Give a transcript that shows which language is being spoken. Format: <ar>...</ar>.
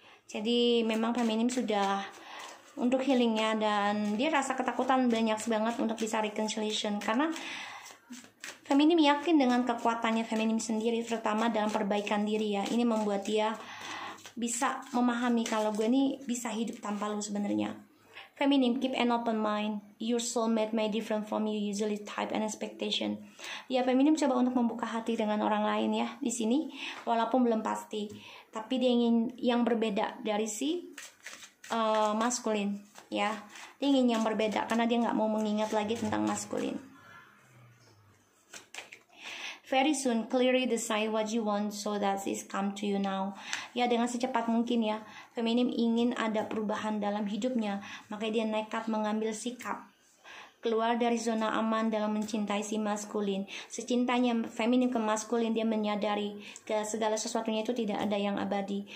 <id>Jadi memang feminim sudah untuk healingnya dan dia rasa ketakutan banyak banget untuk bisa reconciliation, karena feminim yakin dengan kekuatannya feminim sendiri, terutama dalam perbaikan diri ya. Ini membuat dia bisa memahami kalau gue ini bisa hidup tanpa lu sebenarnya.</id> <en>Feminine, keep an open mind. Your soulmate may different from you usually type and expectation.</en> <id>Ya, feminine coba untuk membuka hati dengan orang lain ya di sini, walaupun belum pasti. Tapi dia ingin yang berbeda dari si maskulin, ya. Dia ingin yang berbeda karena dia nggak mau mengingat lagi tentang maskulin.</id> <en>Very soon, clearly decide what you want so that this come to you now.</en> <id>Ya, dengan secepat mungkin ya, feminim ingin ada perubahan dalam hidupnya. Makanya dia nekat mengambil sikap. Keluar dari zona aman dalam mencintai si maskulin. Secintanya feminim ke maskulin, dia menyadari ke segala sesuatunya itu tidak ada yang abadi.</id>